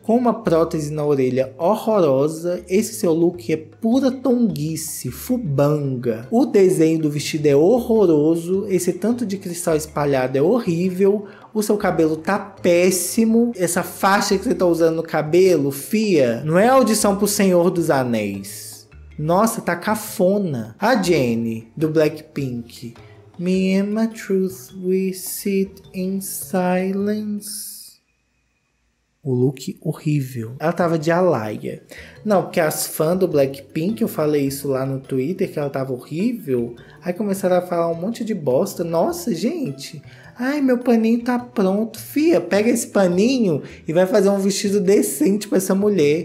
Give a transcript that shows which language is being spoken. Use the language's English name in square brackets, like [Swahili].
[Portuguese] Com uma prótese na orelha horrorosa, esse seu look é pura tonguice, fubanga. O desenho do vestido é horroroso, esse tanto de cristal espalhado é horrível. O seu cabelo tá péssimo. Essa faixa que você tá usando no cabelo, fia, não é audição pro Senhor dos Anéis. Nossa, tá cafona. A Jennie, do Blackpink. [English] Me and my truth, we sit in silence. [Portuguese] O look horrível. Ela tava de Alaia. Não, porque as fãs do Blackpink, eu falei isso lá no Twitter, que ela tava horrível. Aí começaram a falar um monte de bosta. Nossa, gente. Ai, meu paninho tá pronto. Fia, pega esse paninho e vai fazer um vestido decente pra essa mulher.